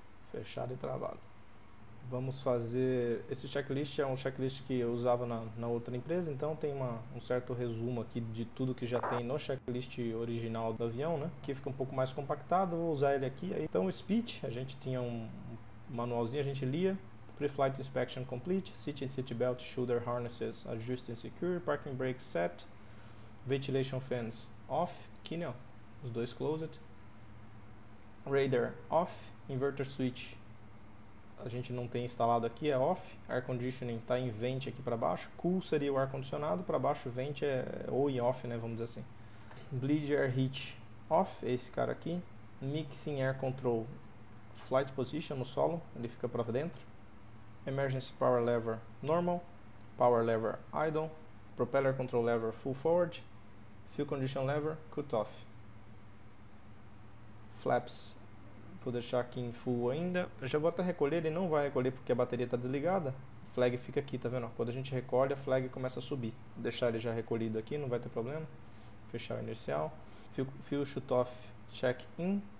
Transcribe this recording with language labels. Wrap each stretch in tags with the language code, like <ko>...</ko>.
<pt>Fechado e travado. Vamos fazer. Esse checklist é um checklist que eu usava na outra empresa, então tem um certo resumo aqui de tudo que já tem no checklist original do avião, né? Aqui fica um pouco mais compactado, vou usar ele aqui. Então, o speech, a gente tinha um manualzinho, a gente lia.</pt> <en>Pre-flight inspection complete. Seat belt, shoulder harnesses ajusted and secure. Parking brake set. Ventilation fans off.</en> <pt>Aqui, né? Os dois</pt> <en>closed. Radar off. Inverter switch.</en> <pt>A gente não tem instalado aqui, é off. Air conditioning está em vent aqui para baixo. Cool seria o ar condicionado, para baixo vent é ou em off, né, vamos dizer assim.</pt> <en>Bleed air heat off,</en> <pt>é esse cara aqui.</pt> <en>Mixing air control, flight position</en> <pt>no solo, ele fica para dentro.</pt> <en>Emergency power lever normal, power lever idle, propeller control lever full forward, fuel condition lever cut off.</en> <pt>Flaps vou deixar aqui em full ainda. Eu já vou até recolher, ele não vai recolher porque a bateria está desligada. Flag fica aqui, tá vendo? Quando a gente recolhe, a flag começa a subir. Vou deixar ele já recolhido aqui, não vai ter problema. Fechar o inercial.</pt> <en>Fuel shoot-off, check-in.</en>